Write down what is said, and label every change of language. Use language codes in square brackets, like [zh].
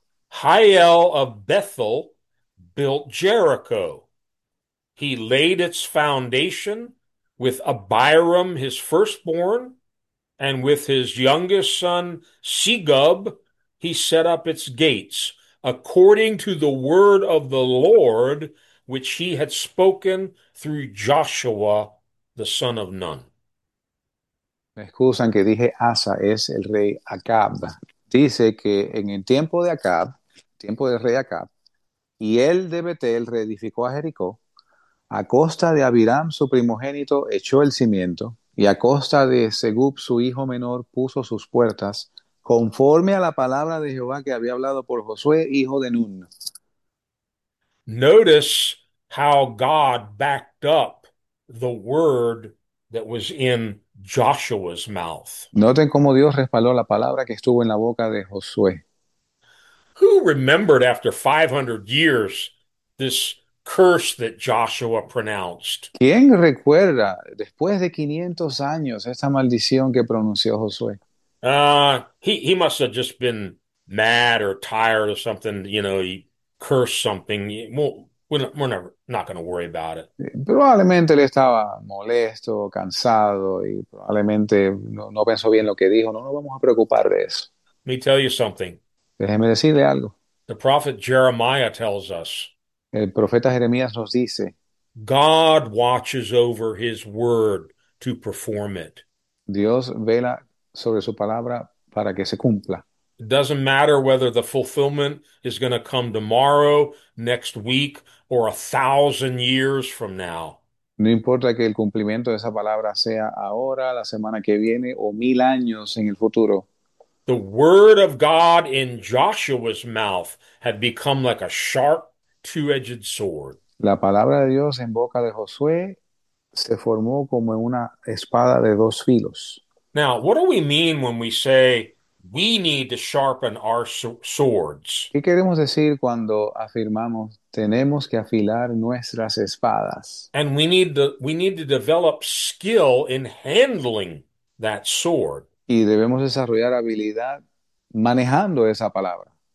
[en] Hiel of Bethel built Jericho. He laid its foundation with Abiram, his firstborn, and with his youngest son, Segub, he set up its gates. According to the word of the Lord, which he had spoken through Joshua, the son of Nun. [es] me excusan que dije Asa, es el rey Acab. Dice que en el tiempo de Acab, tiempo del rey Acab, y él de Betel reedificó a Jericó, a costa de Abiram, su primogénito, echó el cimiento, y a costa de Segub, su hijo menor, puso sus puertas, conforme a la palabra de Jehová que había hablado por Josué, hijo de Nun. [en] Notice how God backed up the word that was in Joshua's mouth. [es] Noten cómo Dios respaldó la palabra que estuvo en la boca de Josué. [en] Who remembered after 500 years this curse that Joshua pronounced? [es] ¿Quién recuerda después de 500 años esta maldición que pronunció Josué? [en] He must have just been mad or tired or something, he curse something. We're not going to worry about it. [es] Probablemente él estaba molesto, cansado y probablemente no pensó bien lo que dijo. No nos vamos a preocupar de eso. [en] Let me tell you something. [es] Déjeme decirle algo. [en] The prophet Jeremiah tells us [es] El profeta Jeremías nos dice, [en] God watches over his word to perform it. [es] Dios vela sobre su palabra para que se cumpla. [en] It doesn't matter whether the fulfillment is going to come tomorrow, next week, or 1,000 years from now. [es] No importa que el cumplimiento de esa palabra sea ahora, la semana que viene o 1000 años en el futuro. [en] The word of God in Joshua's mouth had become like a sharp, two-edged sword. [es] La palabra de Dios en boca de Josué se formó como una espada de dos filos. [en] Now, what do we mean when we say, we need to sharpen our swords? [es] ¿Qué queremos decir cuando afirmamos tenemos que afilar nuestras espadas? [en] And we need to develop skill in handling that sword. [es] Y debemos desarrollar habilidad manejando esa palabra.